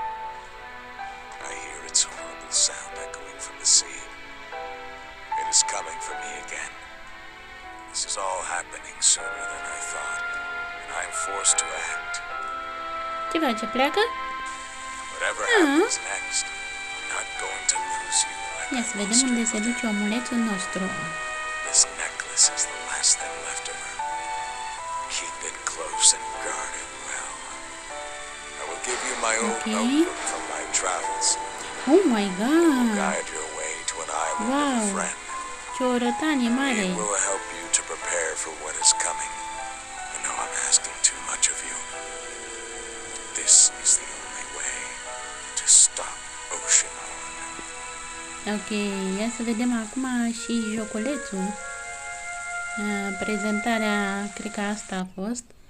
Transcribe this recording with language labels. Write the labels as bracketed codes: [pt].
[en] I hear its horrible sound echoing from the sea. It is coming for me again. This is all happening sooner than I thought. And I am forced to act. [ro] Ce face, pleacă? [en] Whatever happens next, I'm not going to lose you like a monster. [ro] Ia să vedem unde se duce omulețul nostru. [en] Is the last thing left of her. Keep it close and guard it well. I will give you my own notebook from my travels. Oh my god. It will guide your way to an island of a friend. [ro] Mare. [en] It will help you to prepare for what is coming. I know I'm asking too much of you. But this is the only way to stop Oceanhorn. [ro] Okay, ia să vedem acum și joculețul. Prezentarea, cred că asta a fost.